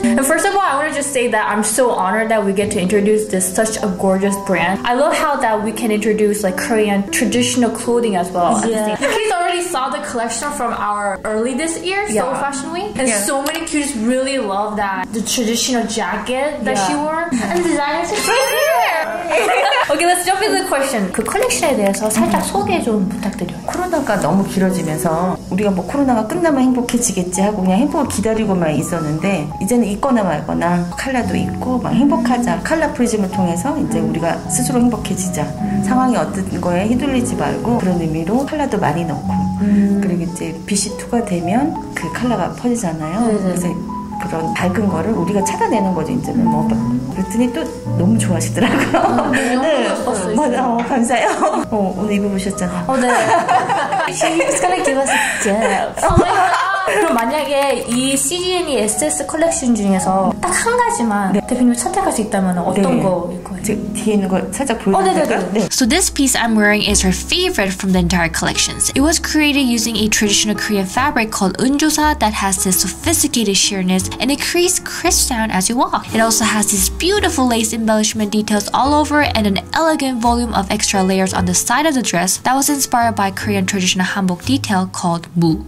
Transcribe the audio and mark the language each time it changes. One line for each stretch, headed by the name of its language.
English: And first of all, I wanna just say that I'm so honored that we get to introduce this such a gorgeous brand. I love how that we can introduce like Korean traditional clothing as well. Yeah. Saw the collection from our early this year, Seoul Fashion Week, and so many cuties really love that the traditional jacket that she wore. And the designer's here. Okay, let's jump into the question.
Korean: 그 컬렉션에 대해서 살짝 소개 좀 부탁드려요. 코로나가 너무 길어지면서 우리가 뭐 코로나가 끝나면 행복해지겠지 하고 그냥 행복을 기다리고만 있었는데 이제는 있거나 말거나 컬러도 있고 막 행복하자. 컬러 프리즘을 통해서 이제 우리가 스스로 행복해지자. 상황이 어떤 거에 휘둘리지 말고 그런 의미로 컬러도 많이 넣고. 그리고 이제 BC2가 되면 그 컬러가 퍼지잖아요. 그래서 그런 밝은 거를 우리가 찾아내는 거죠, 이제는. 뭐, 그랬더니 또 너무 좋아하시더라고요. 네. 너무 맞아, 감사해요. 오늘 입어보셨잖아요. 네.
English: She's gonna give us a gift.
Korean: 그럼 만약에 이 C-ZANN E SS 컬렉션 중에서 딱 한 가지만 대표님이 선택할 수 있다면 어떤 거일 거예요? 지금 뒤에 있는 거 살짝 보여드릴까요? 네.
English: So this piece I'm wearing is her favorite from the entire collections. It was created using a traditional Korean fabric called eunjosa that has this sophisticated sheerness and it creates crisp sound as you walk. It also has these beautiful lace embellishment details all over and an elegant volume of extra layers on the side of the dress that was inspired by Korean traditional hanbok detail called mu.